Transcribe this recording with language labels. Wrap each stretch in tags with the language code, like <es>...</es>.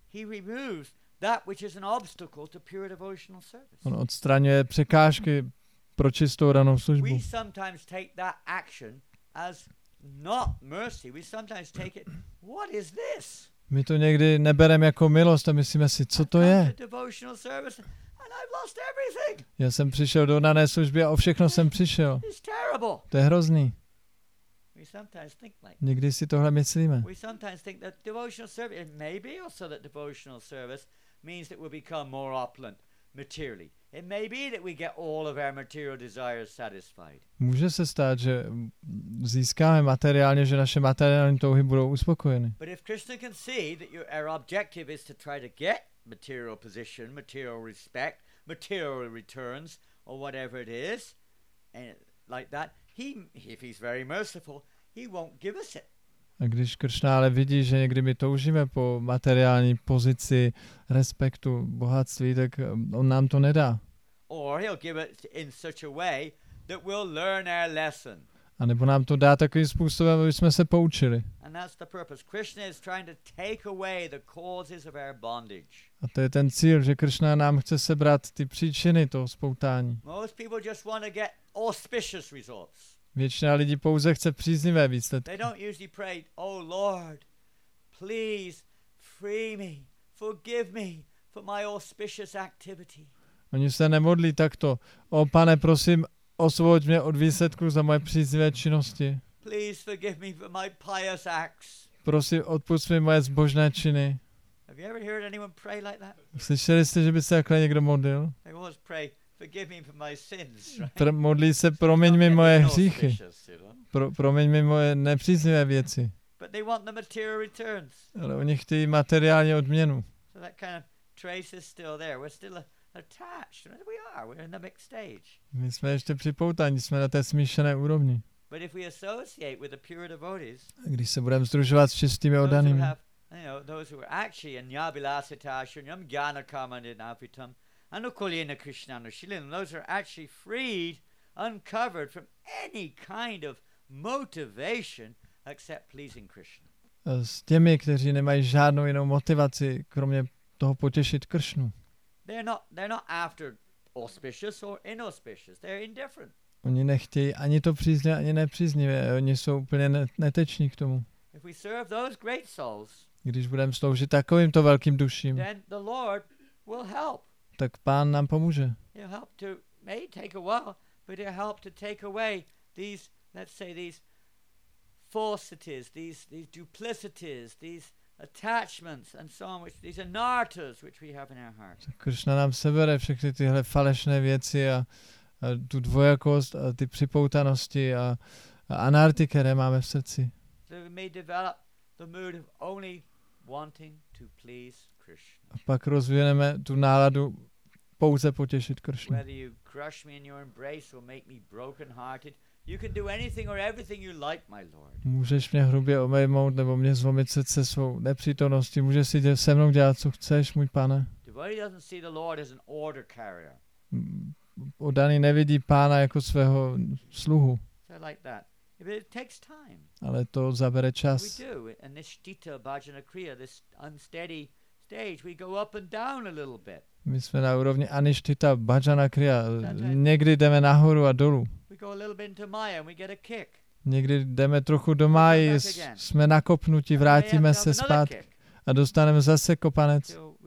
<en>he removes that which is an obstacle to pure devotional service.</en> <cs>On odstraňuje překážky pro čistou danou službu.</cs> <en>We sometimes take that action as not mercy. We sometimes take it, what is this?</en> <cs>My to někdy nebereme jako milost a myslíme si, co to je?</cs> <en>Devotional service and I've lost everything.</en> <cs>Já jsem přišel do dané služby a o všechno jsem přišel.</cs> <en>It's terrible.</en> <cs>To je hrozný.</cs> <en>We sometimes think like,</en> <cs>někdy si tohle myslíme.</cs> <en>We sometimes think that devotional service, it may be also that devotional service means that we'll become more opulent materially. It may be that we get all of our material desires satisfied.</en> <cs>Může se stát, že získáme materiálně, že naše materiální touhy budou uspokojeny.</cs> <en>But if Krishna can see that our objective is to try to get material position, material respect, material returns, or whatever it is, and like that, if he's very merciful, he won't give us it.</en> <cs>A když Krishna ale vidí, že někdy my toužíme po materiální pozici, respektu, bohatství, tak on nám to nedá.</cs> <en>Or he'll give it in such a way that we'll learn our lesson.</en> <cs>A nebo nám to dá takovým způsobem, aby jsme se poučili.</cs> <en>And that's the purpose. Krishna is trying to take away the causes of our bondage.</en> <cs>A to je ten cíl, že Krishna nám chce sebrat ty příčiny toho spoutání.</cs> <en>Most people just want to get auspicious results.</en> <cs>Většina lidí pouze chce příznivé výsledky.</cs> <en>They don't usually pray, oh Lord, please free me, forgive me for my auspicious activity.</en> <cs>Oni se nemodlí takto. O Pane, prosím, osvoboď mě od výsledku za moje příznivé činnosti.</cs> <en>Please forgive me for my pious acts.</en> <cs>Prosím, odpusť mi moje zbožné činy.</cs> <en>Have you ever heard anyone pray like that?</en> <cs>Slyšeli jste, že by se takhle někdo modlil?</cs> <en>They always pray, forgive me for my sins, right?</en> <cs>Modlí se, promiň mi moje hříchy. Promiň mi moje nepříznivé věci.</cs> <en>But they want the material returns.</en> <cs>Ale oni chtějí materiální odměnu.</cs> <en>So that kind of trace is still there. We're still attached. We are. We're in the mixed stage.</en> <cs>My jsme ještě připoutaní, jsme na té smíšené úrovni.</cs> <en>But if we associate with the pure devotees,</en> <cs>a když se budeme združovat s čistými oddanými,</cs> <en>you know, those who are actually in</en> <sa>Nyabilasitashu, Nyam Gyana Kamanin Apitam, Anukulina Krishnanu Shilin,</sa> <en>those are actually freed, uncovered from any kind of motivation except pleasing Krishna.</en> <cs>S těmi, kteří nemají žádnou jinou motivaci, kromě toho potěšit Krishnu.</cs> <en>They're not after auspicious or inauspicious. They're indifferent.</en> <cs>Oni nechtějí ani to příznivé, ani nepříznivé. Oni jsou úplně neteční k tomu.</cs> <en>If we serve those great souls,</en> <cs>když budeme sloužit takovýmto velkým duším,</cs> <en>then the Lord will help.</en> <cs>Tak Pán nám pomůže.</cs> <en>He'll help to, may take a while, but he'll help to take away these, let's say, these falsities, these duplicities, these attachments and so on, which these anartas which we have in our hearts.</en> <cs>Krishna nám sebere všechny tyhle falešné věci a tu dvojakost a ty připoutanosti a anarty, které máme v srdci.</cs> <en>So we may develop the mood of only wanting to please Krishna.</en> <cs>A pak rozvíjeme tu náladu pouze potěšit Krishnu.</cs> <en>Whether you crush me in your embrace or make me broken hearted, you can do anything or everything you like, my Lord.</en> <cs>Můžeš mě hrubě omejmout nebo mě zlomit srdce svou nepřítomností. Můžeš si se mnou dělat, co chceš, můj Pane.</cs> <en>Devotee doesn't see the Lord as an order carrier.</en> <cs>Oddaný nevidí Pána jako svého sluhu.</cs> <en>So like that. But it takes time.</en> <cs>Ale to zabere čas.</cs> <en>We do. In this shtita, bhajana kriya, this unsteady stage, we go up and down a little bit.</en> <cs>My jsme na úrovni anishtita, bhajana kriya. Někdy jdeme nahoru a dolů.</cs> <en>We go a little bit into maya and we get a kick.</en> <cs>Někdy jdeme trochu do máji, jsme nakopnuti, vrátíme se zpátky a dostaneme zase kopanec.</cs>